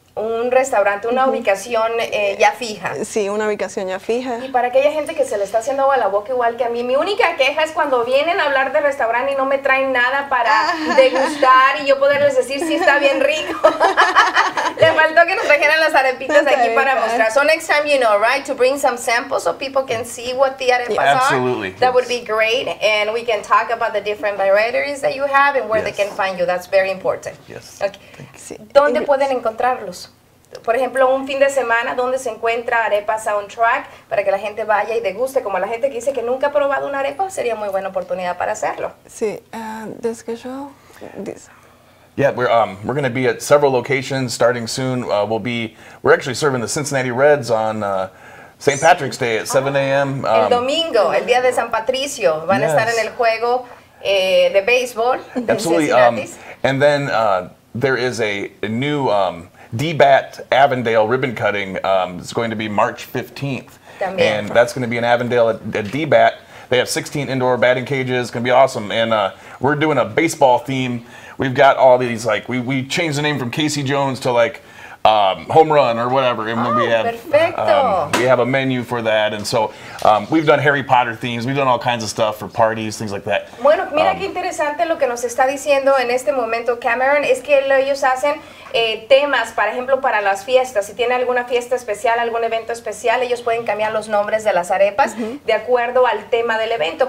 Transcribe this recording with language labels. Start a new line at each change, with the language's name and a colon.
Spanish: Un restaurante, una ubicación ya fija. Sí, una ubicación ya fija. Y para aquella gente que se le está haciendo agua a la boca igual que a mí, mi única queja es cuando vienen a hablar de restaurante y no me traen nada para degustar y yo poderles decir si está bien rico. Le faltó que nos trajeran las arepitas de aquí para mostrar.
English: So next time, you know, right, to bring some samples so people can see what the arepas are. Absolutely. That would be great. And we can talk about the different varieties that you have and where they can find you. That's very important. Yes.
Spanish: Okay. ¿Dónde pueden encontrarlos? Por ejemplo, un fin de semana, ¿dónde se encuentra Arepa Soundtrack? Para que la gente vaya y deguste, como la gente que dice que nunca ha probado una arepa, sería muy buena oportunidad para hacerlo.
English: Sí, the schedule, this. Yeah, we're going to be at several locations starting soon. We're actually serving the Cincinnati Reds on St. Patrick's Day at 7 a.m.
Spanish: El domingo, el día de San Patricio, van a estar en el juego de béisbol.
English: Absolutely. And then there is a new D-Bat Avondale ribbon cutting. It's going to be March 15th.
Spanish: También.
English: And that's going to be in Avondale at D-Bat. They have 16 indoor batting cages. It's going to be awesome. And we're doing a baseball theme. We've got all these, like, we changed the name from Casey Jones to, like, Home Run or whatever. And we have, we have a menu for that. And so we've done Harry Potter themes. We've done all kinds of stuff for parties, things like that.
Spanish: Bueno, mira qué interesante lo que nos está diciendo en este momento Cameron. Es que ellos hacen temas, por ejemplo, para las fiestas. Si tiene alguna fiesta especial, algún evento especial, ellos pueden cambiar los nombres de las arepas de acuerdo al tema del evento.